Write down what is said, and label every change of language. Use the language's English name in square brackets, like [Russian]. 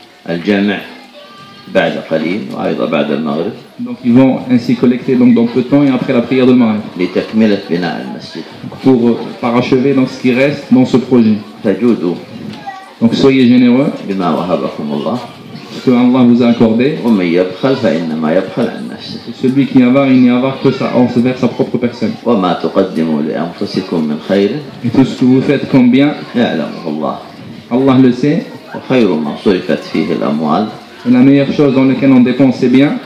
[Arabic] الجمع بعد قليل وأيضا بعد المغرب. [French] Donc ils vont ainsi collecter donc dans peu de temps et après la prière de Maghrib. [Arabic] لتكملة بناء المسجد. [French] Pour parachever donc ce qui reste dans ce projet. [Arabic] تجودوا. [French] Donc soyez généreux. [Arabic] بما وهبكم الله. [French] Ce que Allah vous a accordé. [Arabic] ومن يبخل فإنما يبخل عن نفسه. [French] Celui qui avare, il n'y avare que ça envers sa propre personne. [Arabic] وما تقدموا لأنفسكم من خير. [French] Et tout ce que vous faites comme bien. [Arabic] يعلمه الله. [French] Allah le sait. [Arabic] وخير ما صرفت فيه الأموال. [French] Et la meilleure chose dans laquelle on dépense, c'est bien